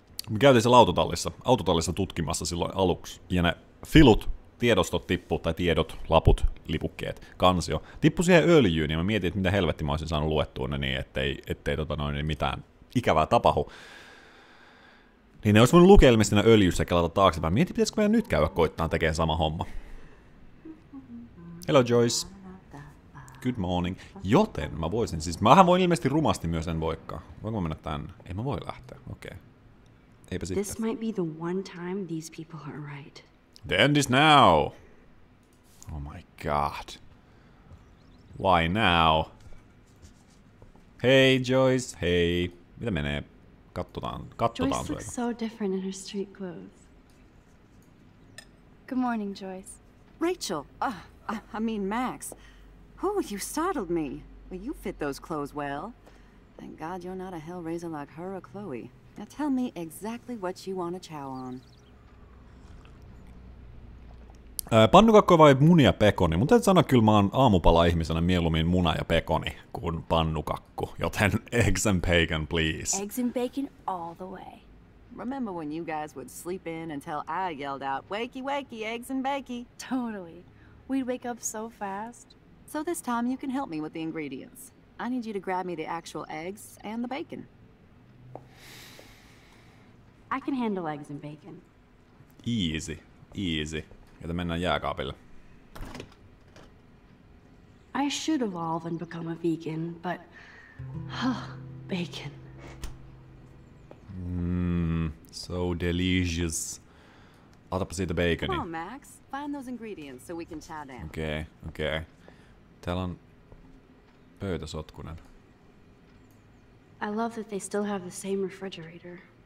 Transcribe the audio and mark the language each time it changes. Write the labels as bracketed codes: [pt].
[fi] Me käytiin siellä autotallissa tutkimassa silloin aluksi, ja ne filut, tiedostot tippu, tai tiedot, laput, lipukkeet, kansio, tippu siihen öljyyn, ja mä mietin, että mitä helvetti mä olisin saanut luettua ne niin, ettei tota noin, mitään ikävää tapahdu. Niin ne olisi voinut lukea ilmeisesti ne öljyssä ja kelata taaksepäin. Mietin, pitäisikö meidän nyt käydä koittaa tekemään sama homma. [en] Hello Joyce. Good morning. [fi] Joten mä voisin, siis mähän voin ilmeisesti rumasti myös en voikkaa. Voinko mä mennä tänne? Ei mä voi lähteä. Okei. Okay. Eipä sitten. [en] This might be the one time these people are right. The end is now. Oh my god. Why now? Hey Joyce, hey. [fi] Mitä menee? Katsotaan. [en] Joyce looks so different in her street clothes. Good morning, Joyce. Rachel. I mean Max. Oh, you startled me. Well, you fit those clothes well. Thank God you're not a hellraiser like her or Chloe. Now tell me exactly what you want to chow on. [fi] Pannukakko vai muni ja pekoni? Mutta täytyy sanoa, kyllä mä oon aamupala-ihmisenä mieluummin muna ja pekoni kuin pannukakku. Joten [en] eggs and bacon, please. Eggs and bacon all the way. Remember when you guys would sleep in until I yelled out, wakey wakey, eggs and bakey. Totally. We'd wake up so fast. So this time you can help me with the ingredients. I need you to grab me the actual eggs and the bacon. I can handle eggs and bacon. Easy. [fi] Joten mennään jääkaapille. [en] I should evolve and become a vegan, but... bacon. So delicious. [fi] Otapa siitä baconi. [en] Come on, Max. Find those ingredients so we can chow down. Okay. [fi] Täällä on pöytä sotkunen. [en] I love that they still have the same refrigerator.